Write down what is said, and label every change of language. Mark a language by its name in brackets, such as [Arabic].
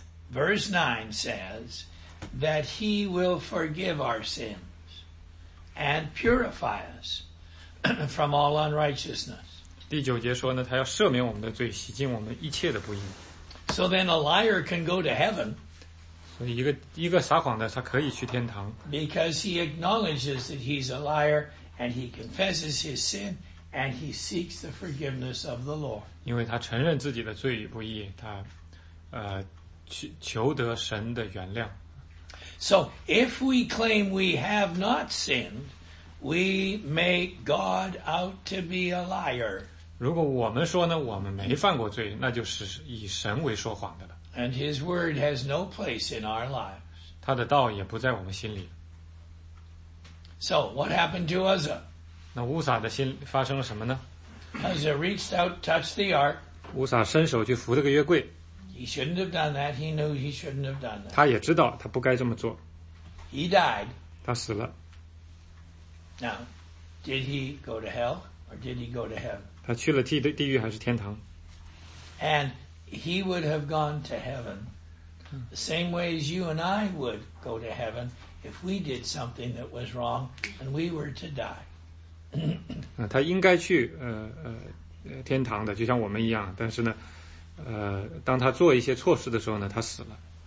[English] Verse 9 says that he will forgive our sins. And purify us from all unrighteousness. [Chinese] 第九节说呢，他要赦免我们的罪，洗净我们一切的不义。 [English] So then a liar can go to heaven. [Chinese] 所以一个撒谎的，他可以去天堂。 [English] Because he acknowledges that he's a liar and he confesses his sin and he seeks the forgiveness of the Lord. [Chinese] 因为他承认自己的罪与不义，他求得神的原谅。 [English] So, if we claim we have not sinned, we make God out to be a liar. [Chinese] 如果我们说呢，我们没犯过罪，那就是以神为说谎的了。 [English] And his word has no place in our lives. [Chinese] 他的道也不在我们心里。 [English] So, what happened to Uzzah? [Chinese] 那乌撒的心发生了什么呢？ [English] Uzzah reached out, touched the ark. [Chinese] 乌撒伸手去扶了个约柜。 [English] He shouldn't have done that. He knew he shouldn't have done that. [Chinese] 他也知道他不该这么做。 [English] He died. [Chinese] 他死了。 [English] Now, did he go to hell or did he go to heaven? [Chinese] 他去了地狱还是天堂？ [English] And he would have gone to heaven the same way as you and I would go to heaven if we did something that was wrong and we were to die. [Chinese] 他应该去天堂的，就像我们一样，但是呢当他做一些错事的时候呢，他死了。